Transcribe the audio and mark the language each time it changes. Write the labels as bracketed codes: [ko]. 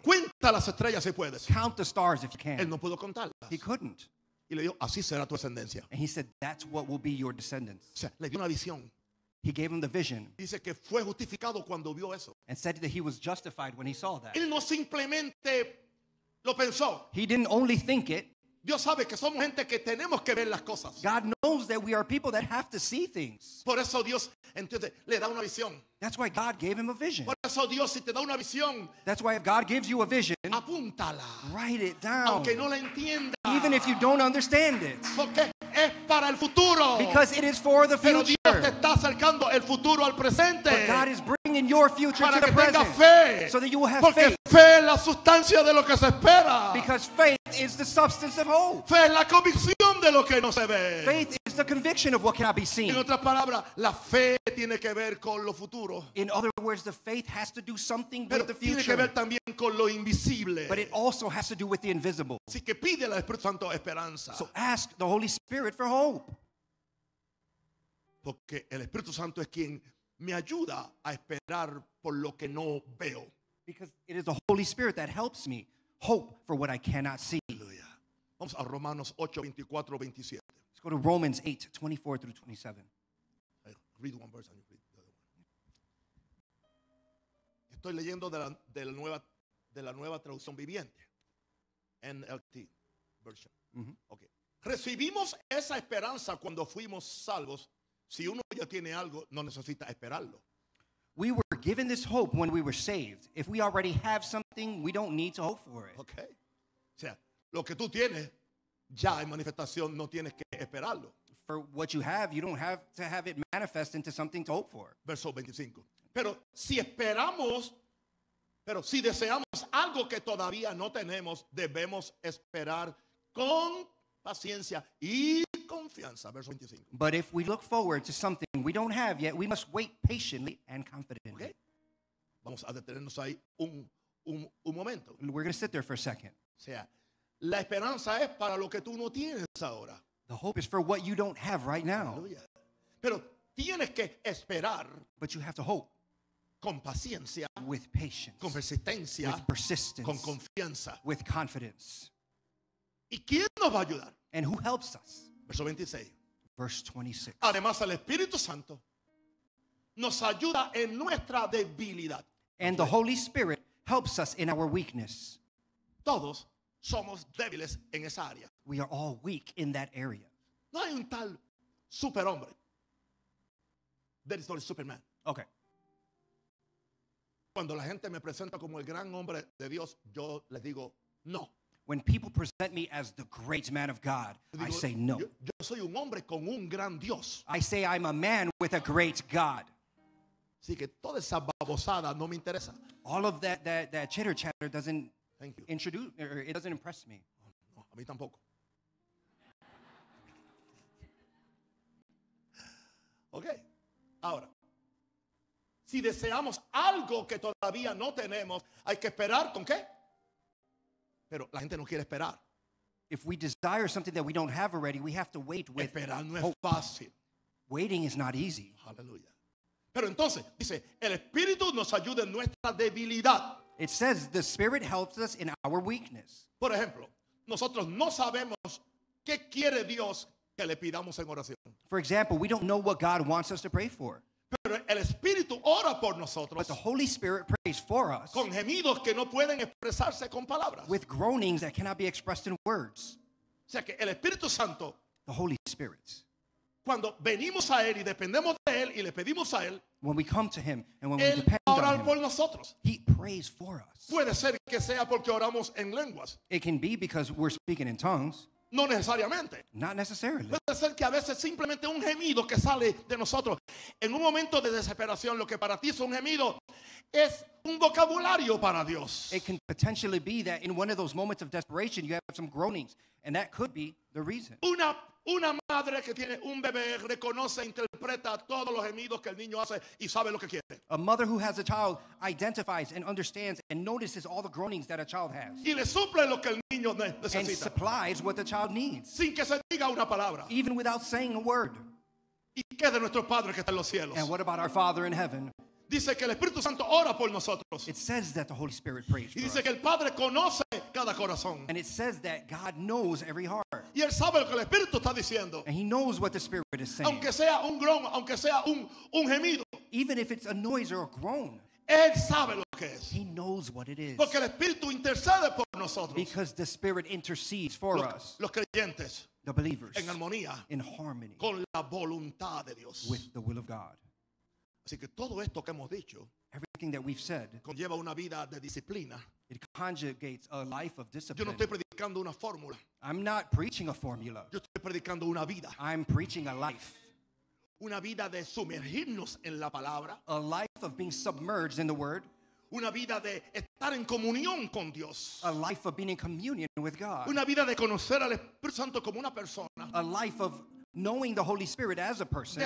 [es] Cuenta las estrellas si puedes. [en] Count the stars if you can. [es] Él no pudo contarlas. [en] He couldn't. [es] Y le dijo, así será tu descendencia. [en] And he said, that's what will be your descendants. [es] O sea, le dio una visión. [en] He gave him the vision. [es] Dice que fue justificado cuando vio eso. [en] And said that he was justified when he saw that. [es] Él no simplemente lo pensó. [en] He didn't only think it. [es] Dios sabe que somos gente que tenemos que ver las cosas. [en] God knows that we are people that have to see things. [es] Por eso Dios entonces le da una visión. [en] That's why God gave him a vision. [es] Por eso Dios si te da una visión. [en] That's why if God gives you a vision. [es] Apúntala. [en] Write it down. [es] Aunque no la entienda. [en] Even if you don't understand it. [es] Porque es para el futuro. [en] Because it is for the future. [es] Pero Dios te está acercando el futuro al presente. [en] But God is bringing your future [es] para [en] to the present. [es] Para que tengas fe. [en] So that you will have [es] porque [en] faith. [es] Porque fe es la sustancia de lo que se espera. [en] Because faith is the substance of hope. [es] Fe es la convicción de lo que no se ve. [en] Faith is the conviction of what cannot be seen. [es] En otras palabras, la fe tiene que ver con lo futuro. [en] In other words, the faith has to do something with the future. [es] Tiene que ver también con lo invisible. [en] But it also has to do with the invisible. [es] Así que pide al Espíritu Santo esperanza. [en] So ask the Holy Spirit for hope. [es] Porque el Espíritu Santo es quien me ayuda a esperar por lo que no veo. [en] Because it is the Holy Spirit that helps me hope for what I cannot see. [es] Aleluya. Vamos a Romanos 8, 24, 27. [en] Let's go to Romans 8, 24 through 27. I'll read one verse. [es] Estoy leyendo de la nueva traducción viviente, NLT version. Mm-hmm. Okay. Recibimos esa esperanza cuando fuimos salvos. Si uno ya tiene algo, no necesita esperarlo. [en] We were given this hope when we were saved. If we already have something, we don't need to hope for it. Okay. [es] O sea, lo que tú tienes ya en manifestación, no tienes que esperarlo. [en] For what you have, you don't have to have it manifest into something to hope for. [es] Verso 25. Pero si esperamos, pero si deseamos algo que todavía no tenemos, debemos esperar con paciencia y confianza. Verso 25. [en] But if we look forward to something we don't have yet, we must wait patiently and confidently. [es] Okay. Vamos a detenernos ahí un momento. [en] We're going to sit there for a second. [es] O sea, la esperanza es para lo que tú no tienes ahora. [en] The hope is for what you don't have right now. [es] Pero tienes que esperar. [en] But you have to hope. [es] Con paciencia. [en] With patience. [es] Con persistencia. [en] With persistence. [es] Con confianza. [en] With confidence. [es] ¿Y quién nos va a ayudar? [en] And who helps us? [es] Verso 26. [en] Verse 26. [es] Además, el Espíritu Santo nos ayuda en nuestra debilidad. [en] And the Holy Spirit helps us in our weakness. [es] Todos somos débiles en esa área. [en] We are all weak in that area. [es] No hay un tal superhombre. [en] There is no Superman. Okay. [es] Cuando la gente me presenta como el gran hombre de Dios, yo les digo no. [en] When people present me as the great man of God, I say no. [es] Yo soy un hombre con un gran Dios. [en] I say I'm a man with a great God. [es] Así que toda esa babosada no me interesa. [en] All of that chitter chatter doesn't introduce or it doesn't impress me. [es] No, a mí tampoco. [en] Okay. [es] Ahora, si deseamos algo que todavía no tenemos, hay que esperar con qué. Pero la gente no quiere esperar. [en] If we desire something that we don't have already, we have to wait with [es] esperar no es hope. Fácil. [en] Waiting is not easy. Hallelujah. [es] Pero entonces, dice, el Espíritu nos ayuda en nuestra debilidad. [en] It says the Spirit helps us in our weakness. [es] Por ejemplo, nosotros no sabemos qué quiere Dios que le pidamos en oración. [en] For example, we don't know what God wants us to pray for. [es] Pero el Espíritu ora por nosotros. [en] But the Holy Spirit prays for us. [es] Con gemidos que no pueden expresarse con palabras. [en] With groanings that cannot be expressed in words. [es] O sea que el Espíritu Santo. [en] The Holy Spirit. [es] Cuando venimos a Él y dependemos de Él y le pedimos a Él. [en] When we come to Him and when we depend on Him. [es] Él ora por nosotros. [en] He prays for us. [es] Puede ser que sea porque oramos en lenguas. [en] It can be because we're speaking in tongues. [es] No necesariamente. [en] Not necessarily. [es] Puede ser que a veces simplemente un gemido que sale de nosotros en un momento de desesperación, lo que para ti es un gemido, es un vocabulario para Dios. [en] It can potentially be that in one of those moments of desperation you have some groanings, and that could be the reason. [es] Una madre que tiene un bebé reconoce, interpreta todos los gemidos que el niño hace y sabe lo que quiere. [en] A mother who has a child identifies and understands and notices all the groanings that a child has. [es] Y le suple lo que el niño necesita. [en] And supplies what the child needs. [es] Sin que se diga una palabra. [en] Even without saying a word. [es] ¿Y qué de nuestro Padre que está en los cielos? [en] And what about our Father in heaven? [es] Dice que el Espíritu Santo ora por nosotros. [en] It says that the Holy Spirit prays [es] y dice que el Padre conoce cada corazón. [en] And it says that God knows every heart. [es] Y él sabe lo que el Espíritu está diciendo. [en] And he knows what the Spirit is saying. [es] Aunque sea un groan, aunque sea un gemido. [en] Even if it's a noise or a groan. [es] Él sabe lo que es. [en] He knows what it is. [es] Porque el Espíritu intercede por nosotros. [en] Because the Spirit intercedes for us. [es] Los creyentes. [en] The believers. [es] En armonía. [en] In harmony. [es] Con la voluntad de Dios. [en] With the will of God. [es] Así que todo esto que hemos dicho, [en] everything that we've said, [es] conlleva una vida de disciplina. [en] It conjugates a life of discipline. [es] Yo no estoy predicando una fórmula. [en] I'm not preaching a formula. [es] Yo estoy predicando una vida. [en] I'm preaching a life. [es] Una vida de sumergirnos en la palabra. [en] A life of being submerged in the word. [es] Una vida de estar en comunión con Dios. [en] A life of being in communion with God. [es] Una vida de conocer al Espíritu Santo como una persona. [en] A life of knowing the Holy Spirit as a person.